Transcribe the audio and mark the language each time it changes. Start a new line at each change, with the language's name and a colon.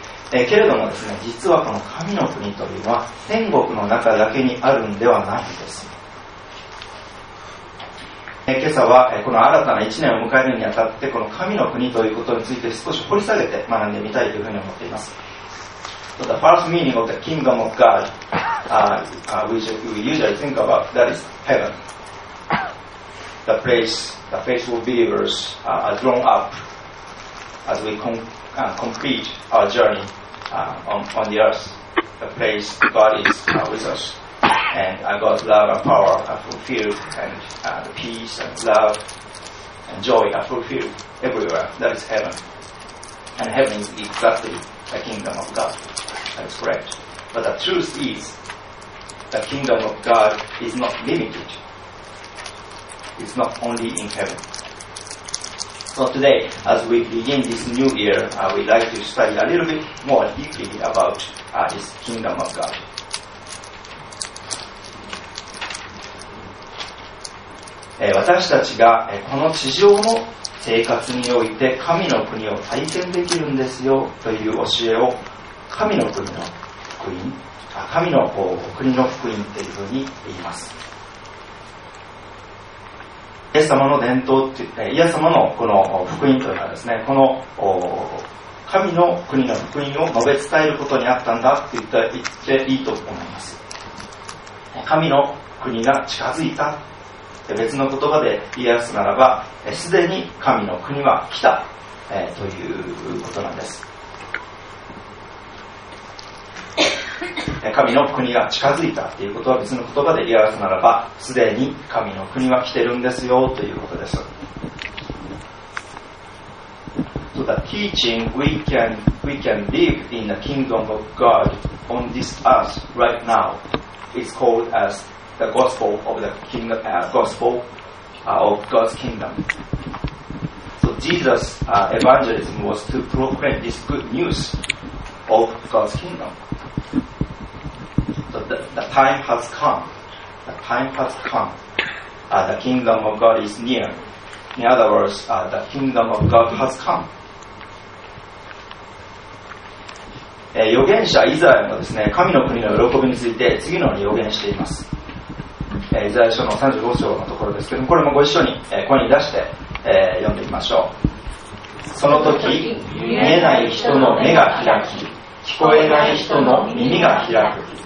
Japanese: けれどもですね、実はこの神の国というのは天国の中だけにあるんではないんです。今朝はこの新たな1年を迎えるにあたって、この神の国ということについて少し掘り下げて学んでみたいというふうに思っています。
English: So the first meaning of the kingdom of God, we usually think about that is heaven, the place the faithful believers are drawn up as we complete our journey on the earth, the place God is with usAnd God's love and power are fulfilled, and the peace and love and joy are fulfilled everywhere. That is heaven. And heaven is exactly the kingdom of God. That is correct. But the truth is, the kingdom of God is not limited. It's not only in heaven. So today, as we begin this new year, we'd like to study a little bit more deeply about this kingdom of God.
Japanese: 私たちがこの地上の生活において神の国を体験できるんですよという教えを、神の国の福音、神の国の福音というふうに言います。イエス様の伝統、イエス様のこの福音というのはですね、この神の国の福音を述べ伝えることにあったんだと言っていいと思います。神の国が近づいた、別の言葉で言い合わすならば、すでに神の国は来た、ということなんです。神の国が近づいたということは、別の言葉で言い合わすならば、すでに神の国は来てるんですよということです。
English: So the teaching we can live in the kingdom of God on this earth right now is called asThe gospel of the kingdom, of God's kingdom. So Jesus' evangelism was to proclaim this good news of God's kingdom. So the time has come. The time has come. The kingdom of God is near. In other words, the kingdom of God has come.
Japanese: 預言者イザヤもですね、神の国の喜びについて次のように預言しています。イザヤ書の35章のところですけども、これもご一緒に声に出して読んでみましょう。その時、見えない人の目が開き、聞こえない人の耳が開く。